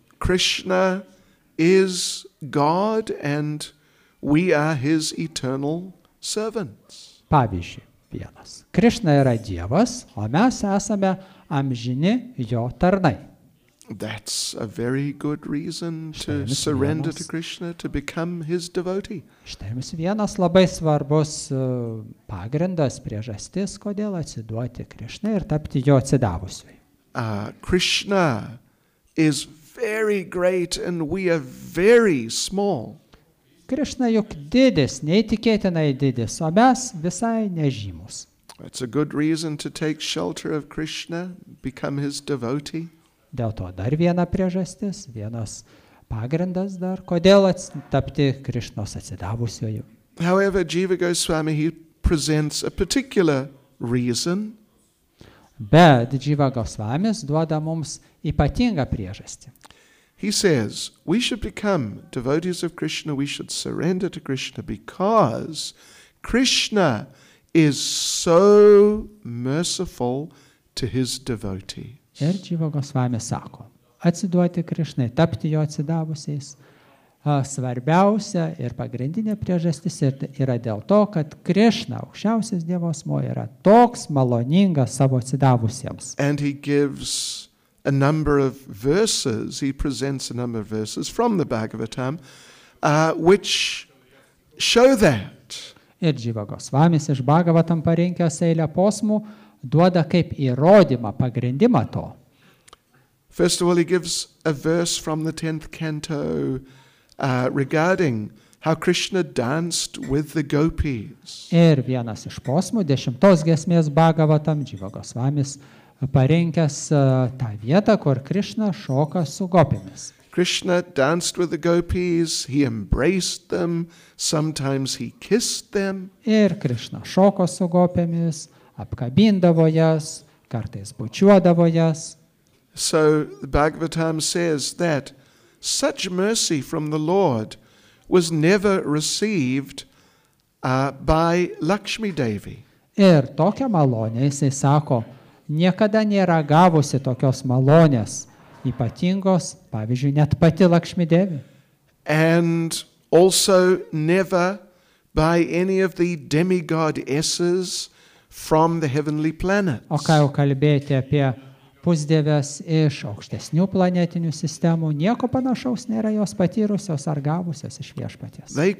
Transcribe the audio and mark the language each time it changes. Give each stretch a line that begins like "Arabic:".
English: Krishna is God and we are his eternal servants.
Lithuanian: Pavyzdžiui, vienas. Krishna yra Dievas, o mes esame amžini jo tarnai.
English: That's a very good reason to surrender to Krishna, to become his devotee.
Lithuanian: Štai jums vienas labai svarbus pagrindas, priežastis, kodėl atsiduoti Krishnai ir tapti jo atsidavusiui.
English: Krishna is very great and we are very small.
Lithuanian: Krishna juk didis, neįtikėtinai didis, o mes visai nežymus.
English: It's a good reason to take shelter of Krishna, become his devotee.
Lithuanian: Dėl to dar viena priežastis, vienas pagrindas dar, kodėl tapti Krishnos atsidavusiuoju.
English: However, Jiva Goswami, he presents a particular reason.
Lithuanian: Bet Jiva Goswamis duoda mums ypatingą priežastį.
English: He says, we should become devotees of Krishna, we should surrender to Krishna because Krishna is so merciful to his devotees.
Lithuanian: Ir Jiva Goswami sako, atsiduoti Krishnai, tapti jo atsidavusiais, svarbiausia ir pagrindinė priežastis yra dėl to, kad Krishna, aukščiausias Dievo asmuo, yra toks maloningas savo atsidavusiems.
English: And he gives a number of verses, he presents a number of verses from the Bhagavatam, which show that.
Lithuanian: Ir Jiva Goswamis iš Bhagavatam parinkęs eilę posmų, duoda kaip įrodymą, pagrindimą to.
English: First of all, he gives a verse from the 10th canto regarding how Krishna danced with the gopis.
Lithuanian: Ir vienas iš posmų, dešimtos giesmės Bhagavatam, Jiva Goswamis, parinkęs tą vietą, kur Krishna šoka su gopimis.
English: Krishna danced with the gopis, he embraced them, sometimes he kissed them.
Lithuanian: Ir Krishna šoko su gopimis, apkabindavo jas, kartais bučiuodavo jas.
English: So the Bhagavatam says that such mercy from the Lord was never received by Lakshmi Devi.
Lithuanian: Ir tokia malonė, jisai sako, niekada nėra gavusi tokios malonės, ypatingos, pavyzdžiui, net pati Lakshmi Devi.
English: And also never by any of the demigod esses from the heavenly planets.
Lithuanian: O ką jau kalbėti apie pusdėves iš aukštesnių planetinių sistemų, nieko panašaus nėra jos patyrusios ar gavusios iš viešpaties.